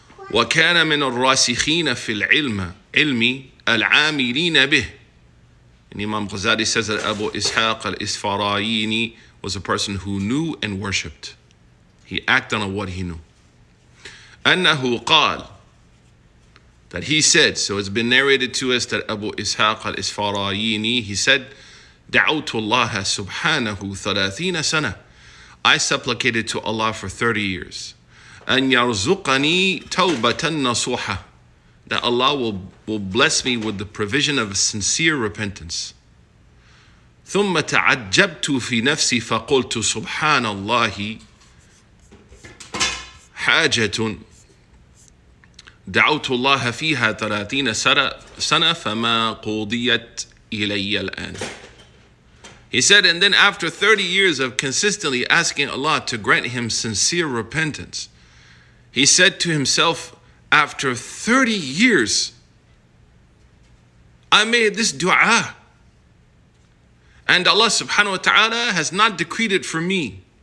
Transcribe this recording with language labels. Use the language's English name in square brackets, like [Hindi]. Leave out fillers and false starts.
[Arabic] وكان من الراسخين في العلم علمي العاملين به. [English] And Imam Ghazali says that Abu Ishaq al-Isfarayini was a person who knew and worshipped. He acted on what he knew. [Arabic] أنه قال, [English] that he said, so it's been narrated to us that Abu Ishaq al-Isfarayini, he said, [Arabic] دعوت الله سبحانه 30 سنة. [English] I supplicated to Allah for 30 years. [Arabic] أن يرزقني توبة نصوحة, [English] that Allah will bless me with the provision of sincere repentance. [Arabic] ثم تعجبت في نفسي فقلت سبحان الله حاجة دعوت الله فيها 30 سنة فما قضيت إلي الآن. [English] He said, and then after 30 years of consistently asking Allah to grant him sincere repentance, he said to himself, after 30 years, I made this dua, and Allah subhanahu wa ta'ala has not decreed it for me.